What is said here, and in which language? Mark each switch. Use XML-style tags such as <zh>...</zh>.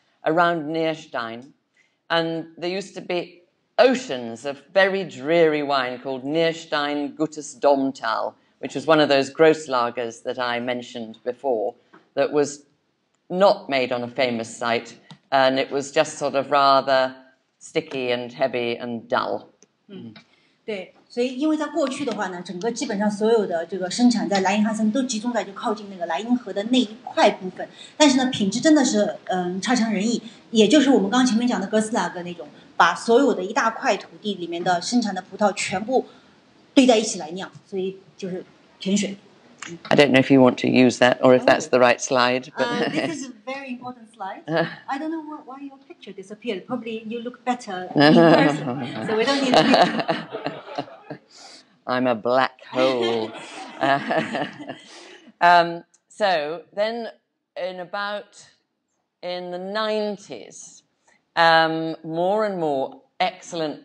<en>Around Nierstein, and there used to be oceans of very dreary wine called Nierstein Gutes Domtal, which was one of those gross lagers that I mentioned before, that was not made on a famous site, and it was just sort of rather sticky and heavy and dull. Mm-hmm.</en> <zh>对，所以因为在过去的话呢，整个基本上所有的这个生产在莱茵哈森都集中在就靠近那个莱茵河的那一块部分，但是呢，品质真的是差强人意，也就是我们刚前面讲的格斯拉格那种，把所有的一大块土地里面的生产的葡萄全部堆在一起来酿，所以就是甜水。</zh> <en>I don't know if you want to use that or if that's the right slide. But This is a very important slide. I don't know why your picture disappeared. Probably you look better in person. So we don't need to. I'm a black hole. So then in the 90s, more and more excellent.</en>